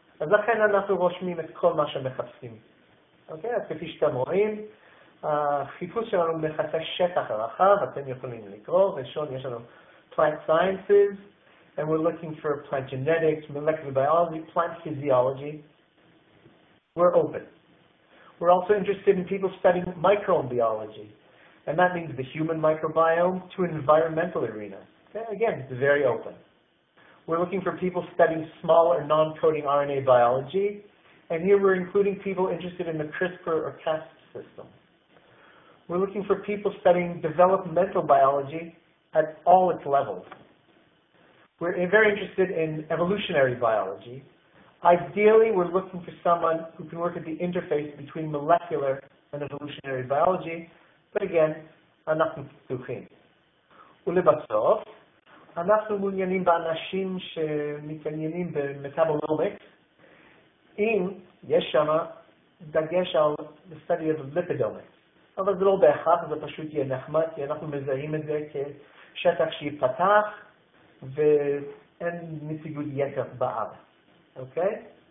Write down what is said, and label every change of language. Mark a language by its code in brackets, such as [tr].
[he] אז לכן אנחנו רושמים את כל מה שמחפשים. אוקיי? אז כפי שאתם רואים, החיפוש שלנו מחפש שטח רחב, אתם יכולים לקרוא, ראשון יש לנו [en] Plant Sciences, and we're looking for Plant Genetics, Molecular Biology, Plant Physiology. We're open. We're also interested in people studying microbiology, and that means the human microbiome to environmental arena. Okay? Again, it's very open. We're looking for people studying small or non-coding RNA biology, and here we're including people interested in the CRISPR or Cas system. We're looking for people studying developmental biology at all its levels. We're very interested in evolutionary biology. Ideally, we're looking for someone who can work at the interface between molecular and evolutionary biology, but again, [he] אנחנו פתוחים. ולבסוף, אנחנו מעוניינים באנשים שמתעניינים במטאבולומיקס, אם יש שם דגש על [en] study of lipidomics. [he] אבל זה לא בהכרח, זה פשוט יהיה נחמד, כי אנחנו מזהים את זה כשטח שיפתח, ואין נציגות יתר בארץ. אוקיי?